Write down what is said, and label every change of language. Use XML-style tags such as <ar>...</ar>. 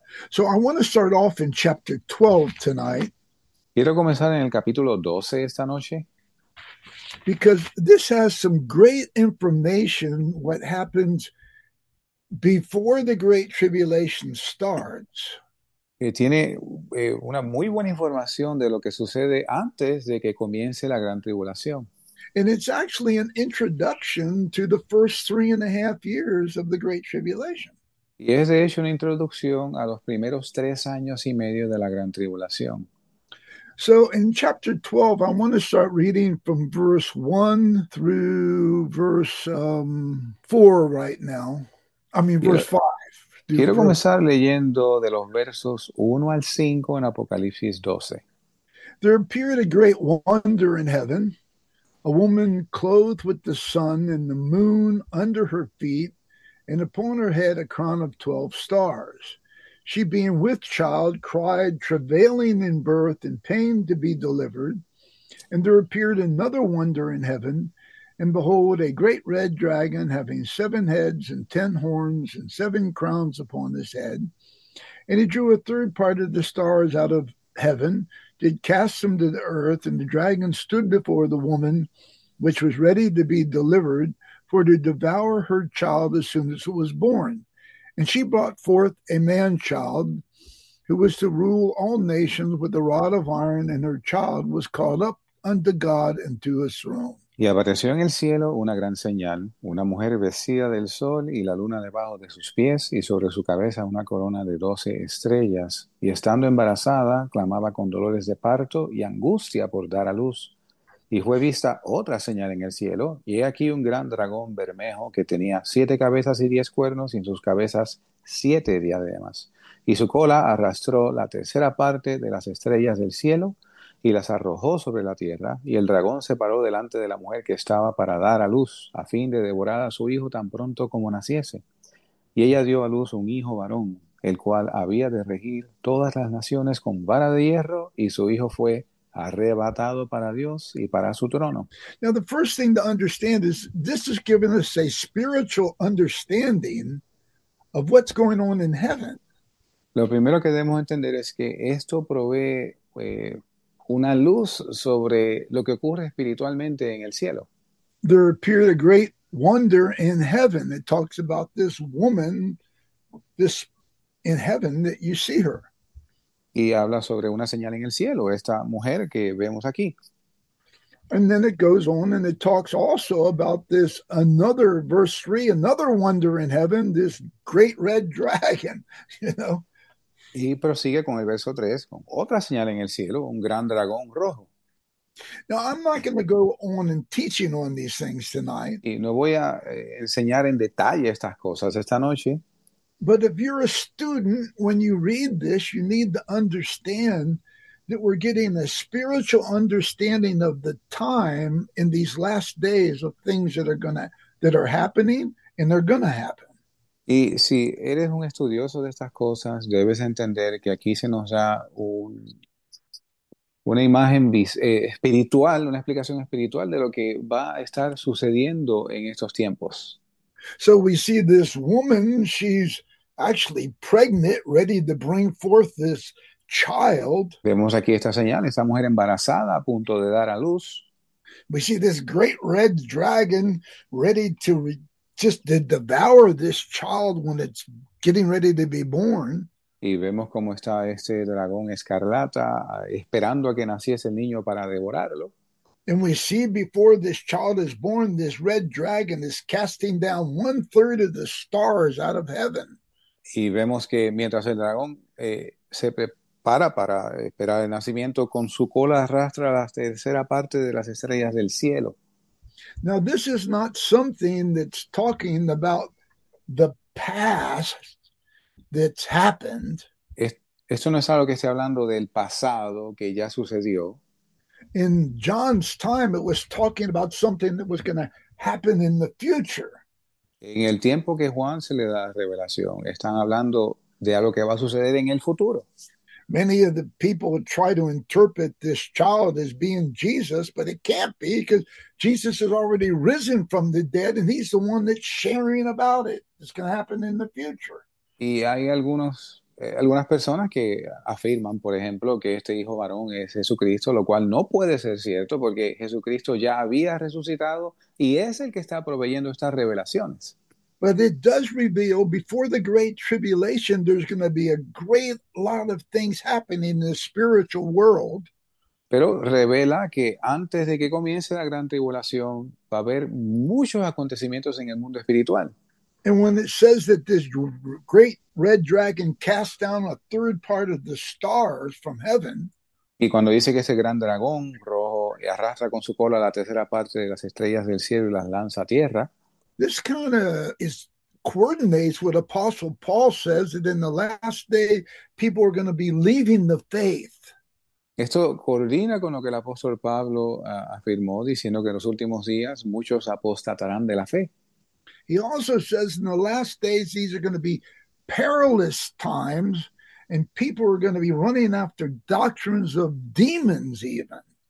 <en>So I want to start off in chapter 12 tonight.</en> <es>Quiero comenzar en el capítulo 12 esta noche.</es> <en>Because this has some great information what happens before the Great Tribulation starts.</en> <es>Tiene una muy buena información de lo que sucede antes de que comience la gran tribulación.</es> <en>And it's actually an introduction to the first 3.5 years of the Great Tribulation.</en> <es>Y es de hecho una introducción a los primeros 3 años y medio de la gran tribulación.</es> <en>So in chapter 12, I want to start reading from verse 1 through verse 4 right now. I mean, verse 5.</en> <es>Quiero comenzar leyendo de los versos 1 al 5 en Apocalipsis 12.</es> <en>There appeared a great wonder in heaven, a woman clothed with the sun and the moon under her feet, and upon her head a crown of 12 stars. She being with child, cried, travailing in birth, and pain to be delivered. And there appeared another wonder in heaven, and behold, a great red dragon, having 7 heads and 10 horns and 7 crowns upon his head. And he drew a third part of the stars out of heaven, did cast them to the earth, and the dragon stood before the woman, which was ready to be delivered, for to devour her child as soon as it was born. And she brought forth a man-child who was to rule all nations with a rod of iron, and her child was called up unto God and to his throne.</en> <es>Y apareció en el cielo una gran señal, una mujer vestida del sol y la luna debajo de sus pies, y sobre su cabeza una corona de 12 estrellas. Y estando embarazada, clamaba con dolores de parto y angustia por dar a luz. Y fue vista otra señal en el cielo, y he aquí un gran dragón bermejo que tenía 7 cabezas y 10 cuernos, y en sus cabezas 7 diademas. Y su cola arrastró la tercera parte de las estrellas del cielo, y las arrojó sobre la tierra, y el dragón se paró delante de la mujer que estaba para dar a luz, a fin de devorar a su hijo tan pronto como naciese. Y ella dio a luz un hijo varón, el cual había de regir todas las naciones con vara de hierro, y su hijo fue arrebatado para Dios y para su trono.</es> <en>Now, the first thing to understand is this is giving us a spiritual understanding of what's going on in heaven.</en> <es>Lo primero que debemos entender es que esto provee una luz sobre lo que ocurre espiritualmente en el cielo.</es> <en>There appeared a great wonder in heaven. It talks about this woman, this in heaven that you see her.</en> <es>Y habla sobre una señal en el cielo, esta mujer que vemos aquí.</es> <en>And then it goes on and it talks also about this another verse 3, another wonder in heaven, this great red dragon, you know.</en> <es>Y prosigue con el verso 3, con otra señal en el cielo, un gran dragón rojo.</es> <en>Now, I'm not going to go on and teaching on these things tonight.</en> <es>Y no voy a enseñar en detalle estas cosas esta noche.</es> <en>But if you're a student, when you read this, you need to understand that we're getting a spiritual understanding of the time in these last days of things that are happening and they're going to happen.</en> <es>Y si eres un estudioso de estas cosas, debes entender que aquí se nos da una imagen espiritual, una explicación espiritual de lo que va a estar sucediendo en estos tiempos.</es> <en>So we see this woman, she's actually pregnant, ready to bring forth this child.</en> <es>Vemos aquí esta señal, esta mujer embarazada a punto de dar a luz.</es> <en>We see this great red dragon ready to just to devour this child when it's getting ready to be born.</en> <es>Y vemos cómo está este dragón escarlata esperando a que naciese el niño para devorarlo.</es> <en>And we see before this child is born, this red dragon is casting down one third of the stars out of heaven.</en> <es>Y vemos que mientras el dragón se prepara para esperar el nacimiento, con su cola arrastra la tercera parte de las estrellas del cielo.</es> <en>Now, this is not something that's talking about the past that's happened.</en> <es>Esto no es algo que esté hablando del pasado que ya sucedió.</es> <en>In John's time, it was talking about something that was going to happen in the future.</en> <es>En el tiempo que Juan se le da revelación, están hablando de algo que va a suceder en el futuro.</es> <en>Many of the people would try to interpret this child as being Jesus, but it can't be because Jesus has already risen from the dead and he's the one that's sharing about it. It's going to happen in the future.</en> <es>Y hay algunas personas que afirman, por ejemplo, que este hijo varón es Jesucristo, lo cual no puede ser cierto porque Jesucristo ya había resucitado y es el que está proveyendo estas revelaciones.</es> <en>But it does reveal before the great tribulation, there's going to be a great lot of things happening in the spiritual world.</en> <es>Pero revela que antes de que comience la gran tribulación, va a haber muchos acontecimientos en el mundo espiritual.</es> <en>And when it says that this great red dragon cast down a third part of the stars from heaven.</en> <es>Y cuando dice que ese gran dragón rojo arrastra con su cola la tercera parte de las estrellas del cielo y las lanza a tierra.</es> <en>This kind of coordinates what Apostle Paul says that in the last day people are going to be leaving the faith.</en> <es>Esto coordina con lo que el apóstol Pablo afirmó diciendo que en los últimos días muchos apostatarán de la fe.</es> <en>He also says in the last days these are going to be perilous times and people are going to be running after doctrines of demons even.</en>